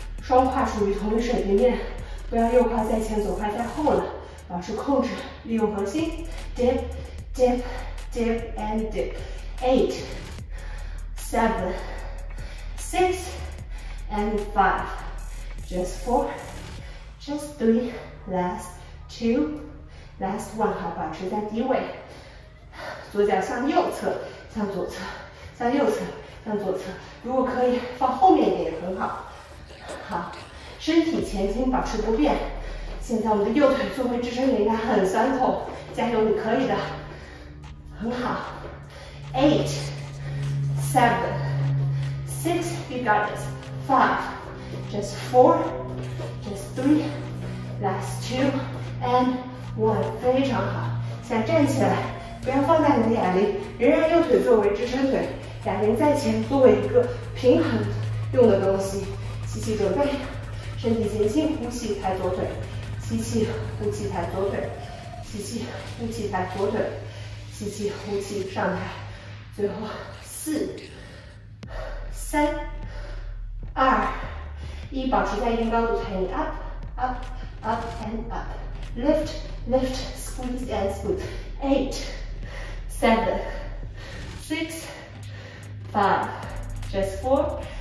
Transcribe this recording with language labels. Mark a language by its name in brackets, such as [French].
[Chinese] 双胯处于同一水平面，不要右胯在前，左胯在后了，保持控制，利用核心 ， [English] dip dip dip and dip， eight seven six and five， just four， just three， last two， last one， [Chinese] 好，保持在低位，左脚向右侧，向左侧，向右侧，向左侧，如果可以放后面一点也很好。好，身体前倾，保持不变。现在我们的右腿坐回支撑，应该很酸痛，加油，你可以的，很好。 [English] Eight, seven, six, you got it. Five, just four, just three, last two, and one. [Chinese] 非常好。现在站起来，不要放下你的哑铃，仍然右腿作为支撑腿，哑铃在前，作为一个平衡用的东西。吸气，准备，身体前倾，呼气，抬左腿，吸气，呼气，抬左腿，吸气，呼气，抬左腿，吸气，呼气，上抬，最后四、三、二、一，保持在一定高度，抬你 [English] up up up and up， lift lift， squeeze and squeeze， eight seven six five， just four。